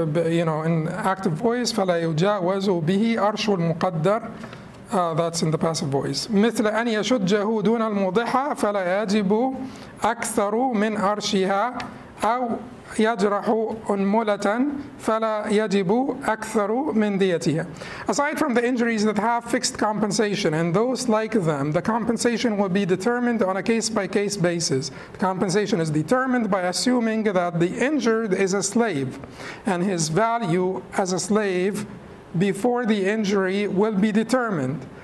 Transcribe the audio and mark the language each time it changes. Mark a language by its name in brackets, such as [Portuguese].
[English] You know, in active voice, [Arabic] فلا يجاوز به عرش المقدر. [English] That's in the passive voice. [Arabic] مثل أن يشجه دون الموضحة فلا يجب أكثر من أرشها أو يجرح أنملة فلا يجب أكثر من ديتها. [English] Aside from the injuries that have fixed compensation and those like them, the compensation will be determined on a case-by-case basis. The compensation is determined by assuming that the injured is a slave and his value as a slave before the injury will be determined.